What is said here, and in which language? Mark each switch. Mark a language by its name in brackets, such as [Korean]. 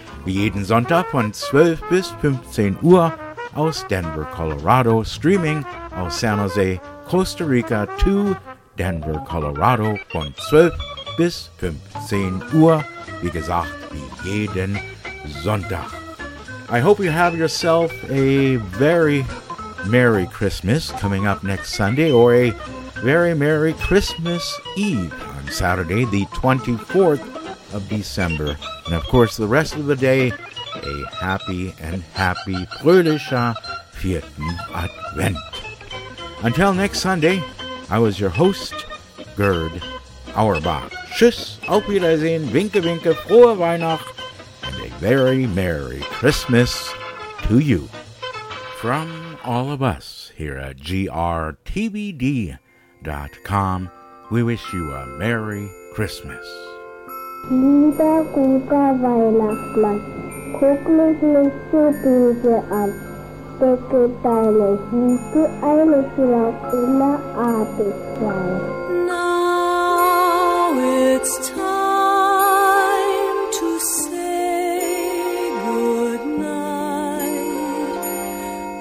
[German] Wie jeden Sonntag von 12 bis 15 Uhr aus Denver, Colorado, streaming aus San Jose, Costa Rica to Denver, Colorado von 12 bis 15 Uhr, wie gesagt, wie jeden Sonntag. [English] I hope you have yourself a very Merry Christmas coming up next Sunday, or a very Merry Christmas Eve on Saturday, the 24th of December. And of course, the rest of the day, a happy and happy [German] fröhlicher vierten Advent. [English] Until next Sunday, I was your host, Gerd Auerbach. [German] Tschüss, auf Wiedersehen, winke, winke, frohe Weihnacht, [English] and a very Merry Christmas to you. From all of us here at grtvd.com, we wish you a Merry Christmas. [German] Lieber guter Weihnachtsmann, guck mich nicht so böse an. Decke deine Hüte ein, ich lass immer artig sein. [English] Now it's time to say good night.